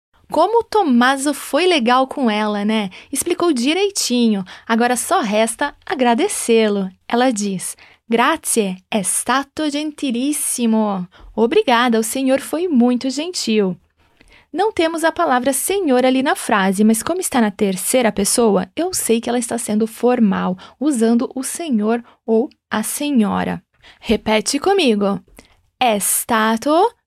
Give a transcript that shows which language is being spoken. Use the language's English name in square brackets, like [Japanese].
[Portuguese] Como o Tommaso foi legal com ela, né? Explicou direitinho. Agora só resta agradecê-lo. Ela diz: [Italian] Grazie, è stato gentilissimo. [Portuguese] Obrigada, o senhor foi muito gentil. Não temos a palavra senhor ali na frase, mas como está na terceira pessoa, eu sei que ela está sendo formal, usando o senhor ou a senhora. Repete comigo: [Italian] è stato